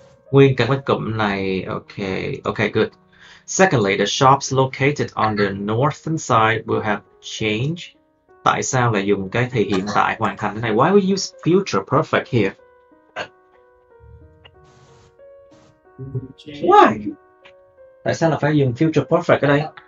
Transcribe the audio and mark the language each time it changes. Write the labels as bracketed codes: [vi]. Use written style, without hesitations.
[vi] Nguyên cả cái cụm này, okay, good. [en] Secondly, the shops located on the northern side will have change. [vi] Tại sao lại dùng cái thì hiện tại hoàn thành thế này? [en] Why we use future perfect here? Why? [vi] Tại sao là phải dùng future perfect ở đây?